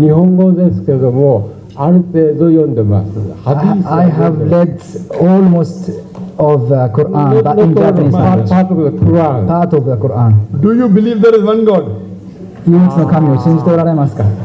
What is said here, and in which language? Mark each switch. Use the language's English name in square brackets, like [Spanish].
[Japanese] あの、コランは日本語ですけども、ある程度読んでます。 [English] I have read almost of the Quran, but in Japanese language. Part of the Quran. Part of the Quran. Do you believe there is one God? [Japanese] 唯一の神を信じておられますか?